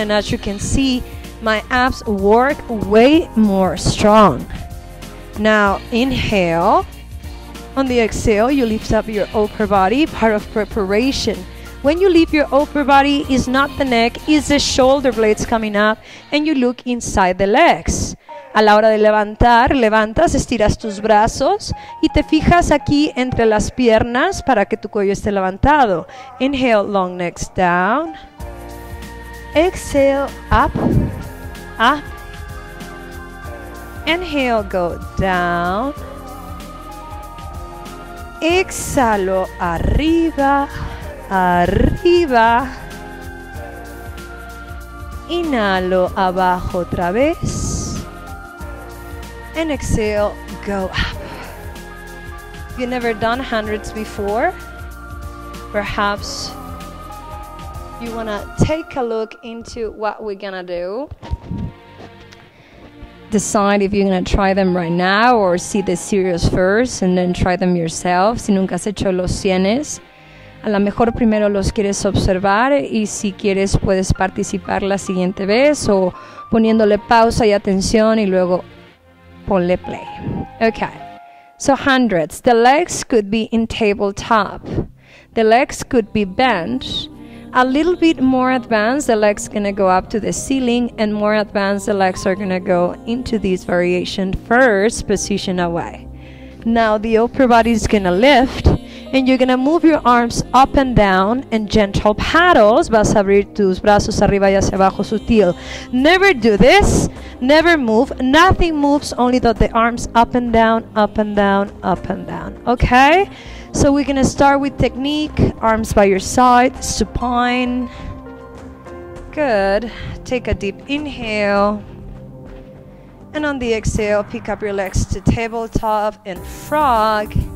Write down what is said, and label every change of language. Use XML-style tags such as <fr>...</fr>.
<en>And as you can see, my abs work way more strong. Now, inhale. On the exhale, you lift up your upper body, part of preparation. When you lift your upper body, it's not the neck, it's the shoulder blades coming up, and you look inside the legs.</en> <es>A la hora de levantar, levantas, estiras tus brazos, y te fijas aquí entre las piernas para que tu cuello esté levantado.</es> <en>Inhale, long necks down. Exhale, up, up. Inhale, go down.</en> <es>exhalo, arriba, arriba. Inhalo, abajo otra vez.</es> <en>And exhale, go up. If you've never done hundreds before, perhaps you want to take a look into what we're going to do. Decide if you're going to try them right now or see the series first and then try them yourself.</en> <es>Si nunca has hecho los cienes, a lo mejor primero los quieres observar y si quieres puedes participar la siguiente vez o poniéndole pausa y atención y luego ponle play.</es> <en>Okay, so hundreds. The legs could be in tabletop. The legs could be bent. A little bit more advanced, the legs are going to go up to the ceiling, and more advanced, the legs are going to go into this variation first position away. Now the upper body is going to lift, and you're going to move your arms up and down in gentle paddles.</en> <es>Vas a abrir tus brazos arriba y hacia abajo sutil.</es> <en>Never do this. Never move. Nothing moves, only that the arms up and down, up and down, up and down. Okay? So we're going to start with technique, arms by your side, supine. Good. Take a deep inhale. And on the exhale, pick up your legs to tabletop and frog.</en>